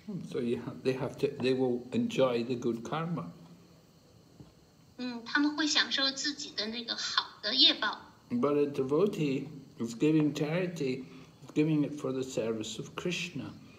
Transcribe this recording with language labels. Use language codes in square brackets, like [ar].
[en] So you have, they will enjoy the good karma. [zh] 他们会享受自己的那个好的业报。 [en] But a devotee is giving charity, giving it for the service of Krishna.